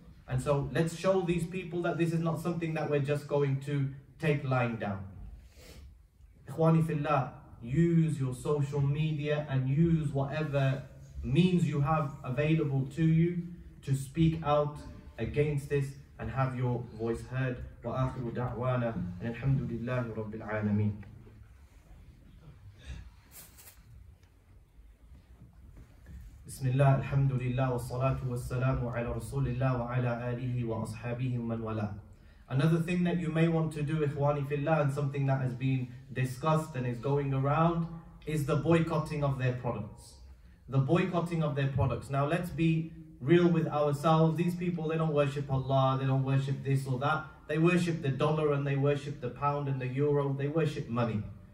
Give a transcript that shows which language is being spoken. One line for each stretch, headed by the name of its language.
English: And so let's show these people that this is not something that we're just going to take lying down. Ikhwani fillah, use your social media and use whatever means you have available to you to speak out against this and have your voice heard.
Arabic: وآخر دعوانا أن الحمد لله رب العالمين. بسم الله الحمد لله والصلاة والسلام على رسول الله وعلى آله وأصحابه من ولا.
English: Another thing that you may want to do, Ikhwani Fillah, and something that has been discussed and is going around, is the boycotting of their products. The boycotting of their products. Now let's be real with ourselves. These people, they don't worship Allah, they don't worship this or that. They worship the dollar and they worship the pound and the euro. They worship money.